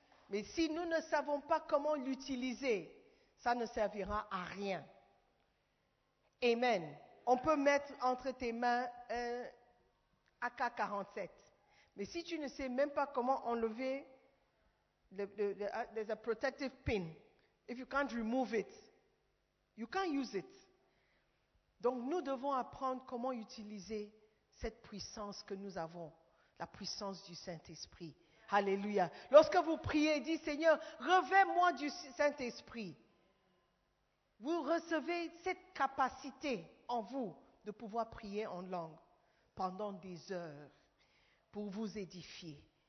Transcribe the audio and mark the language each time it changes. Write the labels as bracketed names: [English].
[French] Mais si nous ne savons pas comment l'utiliser, ça ne servira à rien. Amen. On peut mettre entre tes mains un AK-47. Mais si tu ne sais même pas comment enlever [English] there's a protective pin. If you can't remove it, you can't use it. [French] Donc nous devons apprendre comment utiliser cette puissance que nous avons, la puissance du Saint-Esprit. Alléluia. Lorsque vous priez, dites Seigneur, revêt-moi du Saint-Esprit. Vous recevez cette capacité en vous de pouvoir prier en langue pendant des heures pour vous édifier.